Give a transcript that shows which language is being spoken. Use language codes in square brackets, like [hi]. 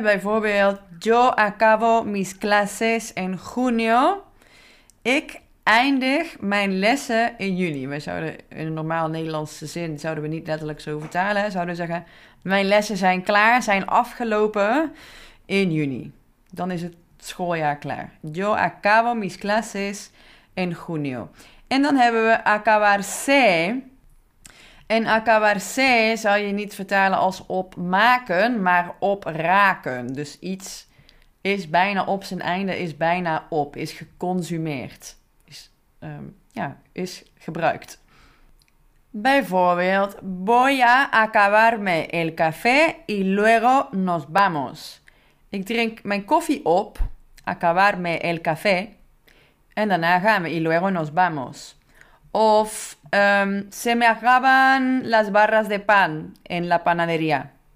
[es] Bijvoorbeeld, yo acabo mis clases en junio. [nl] Ik eindig mijn lessen in juni. We zouden in een normaal Nederlandse zin zouden we niet letterlijk zo vertalen. Zouden we zeggen, mijn lessen zijn klaar, zijn afgelopen in juni. Dan is het schooljaar klaar. [es] Yo acabo mis clases en junio. [nl] En dan hebben we acabarse. En acabarse zou je niet vertalen als opmaken, maar opraken. Dus iets is bijna op zijn einde, is bijna op, is geconsumeerd. Is gebruikt. Bijvoorbeeld, [es] voy a acabarme el café y luego nos vamos. [nl] Ik drink mijn koffie op, [es] acabarme el café, [nl] en daarna gaan we [es] y luego nos vamos. Of, se me acaban las barras de pan en la panadería.